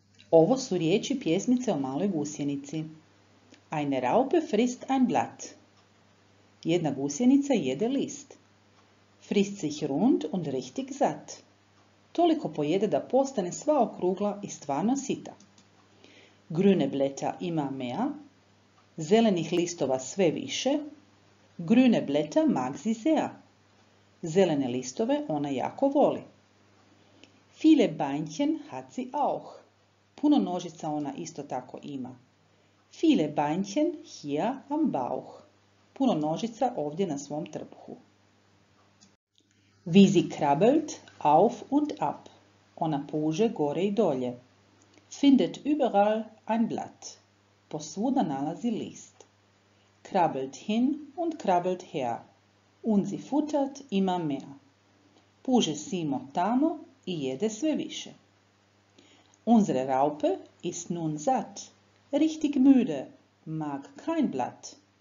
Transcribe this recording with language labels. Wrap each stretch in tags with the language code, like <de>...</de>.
<hr>Ovo su riječi pjesmice o maloj gusjenici.</hr> <de>Eine Raupe frisst ein Blatt.</de> <hr>Jedna gusjenica jede list.</hr> <de>Frisst sich rund und richtig satt.</de> <hr>Toliko pojede da postane sva okrugla i stvarno sita.</hr> <de>Grüne Blätter immer mehr.</de> <hr>Zelenih listova sve više.</hr> <de>Grüne Blätter mag sie sehr.</de> <hr>Zelene listove ona jako voli.</hr> <de>Viele Beinchen hat sie auch.</de> <hr>Puno nožica ona isto tako ima.</hr> <de>Viele Beinchen hier am Bauch.</de> <hr>Puno nožica ovdje na svom trbuhu.</hr> <de>Wie sie krabbelt auf und ab.</de> <hr>Ona puže gore i dolje.</hr> <de>Findet überall ein Blatt.</de> <hr>Posvuda nalazi list.</hr> <de>Krabbelt hin und krabbelt her. Und sie futtert immer mehr.</de> <hr>Puže simo tamo i jede sve više.</hr> <de>Unsere Raupe ist nun satt. Richtig müde, mag kein Blatt.</de>